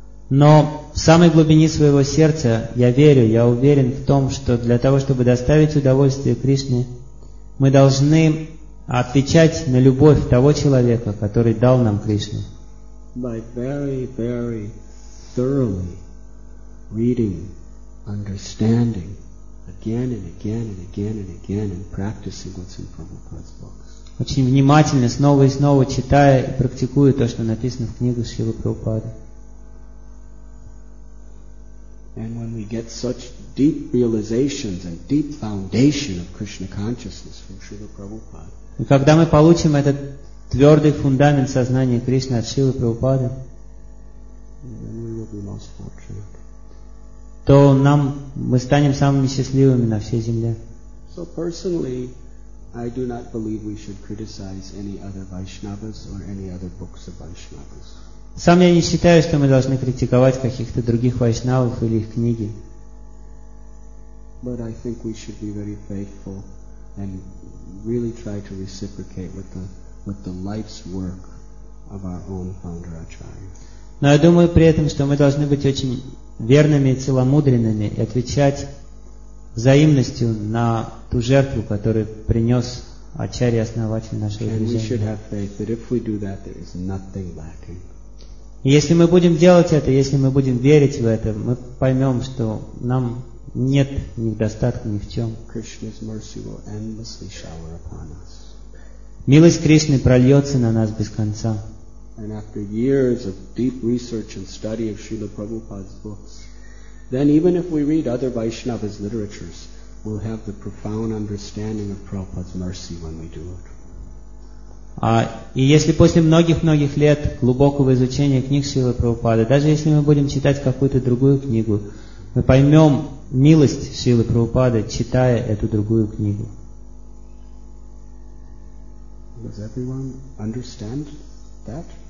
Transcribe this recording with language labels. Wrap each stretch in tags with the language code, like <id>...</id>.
<ru>Но в самой глубине своего сердца я уверен в том, что для того, чтобы доставить удовольствие Кришне, мы должны отвечать на любовь того человека, который дал нам Кришну.</ru> <en>By very, very thoroughly reading, understanding, again and again and again and again and practicing what's in Prabhupada's books.</en> <ru>Очень внимательно, снова и снова читая и практикуя то, что написано в книгах Шрилы Прабхупады.</ru> <en>And when we get such deep realizations and deep foundation of Krishna consciousness from Srila Prabhupada.</en> <ru>И когда мы получим этот твердый фундамент сознания Кришны от Шрилы Прабхупады,</ru> <en>then we will be most fortunate.</en> <ru>то нам, мы станем самыми счастливыми на всей земле.</ru> <en>So personally, I do not believe we should criticize any other Vaishnavas or any other books of Vaishnavas.</en> <ru>Сам я не считаю, что мы должны критиковать каких-то других вайшнавов или их книги.</ru> <en>But I think we should be very faithful and really try to reciprocate with the life's work of our own founder Acharya.</en> <ru>Но я думаю при этом, что мы должны быть очень верными и целомудренными и отвечать взаимностью на ту жертву, которую принес Ачарья, основатель нашего движения.</ru> <en>And we should have faith that if we do that, there is nothing lacking.</en> <ru>И если мы будем делать это, если мы будем верить в это, мы поймем, что нам нет ни в достатке, ни в чем.</ru> <en>Krishna's mercy will endlessly shower upon us.</en> <ru>Милость Кришны прольется на нас без конца.</ru> <en>And after years of deep research and study of Srila Prabhupada's books, then even if we read other Vaishnavas' literatures, we'll have the profound understanding of Prabhupada's mercy when we do it.</en> <ru>И если после многих-многих лет глубокого изучения книг Шрилы Прабхупады, даже если мы будем читать какую-то другую книгу, мы поймем милость Шрилы Прабхупады, читая эту другую книгу.</ru> <en>Does everyone understand that?</en>